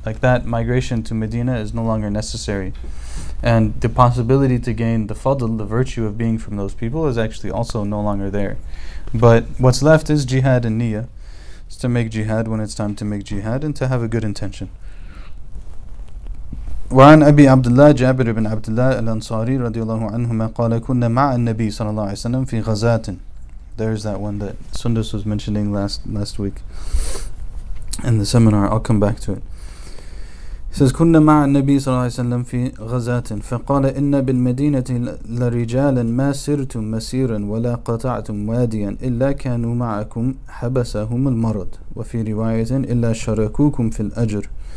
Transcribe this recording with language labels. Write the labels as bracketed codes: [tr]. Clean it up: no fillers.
[en] Like, that migration to Medina is no longer necessary. And the possibility to gain the fadl, the virtue of being from those people, is actually also no longer there. But what's left is jihad and niyyah. It's to make jihad when it's time to make jihad, and to have a good intention. [ar] وعن أبي عبد الله جابر بن عبد الله الأنصاري رضي الله عنهما قال كنا مع النبي صلى الله عليه وسلم في غزاة. [en] There's that one that Sundus was mentioning last week in the seminar. I'll come back to it. He says [ar] كنا مع النبي صلى الله عليه وسلم في غزاة فقال إن بالمدينة لرجالا ما سرتم مسيرا ولا قطعتم واديا إلا كانوا معكم حبسهم المرض وفي رواية إلا شركوكم في الأجر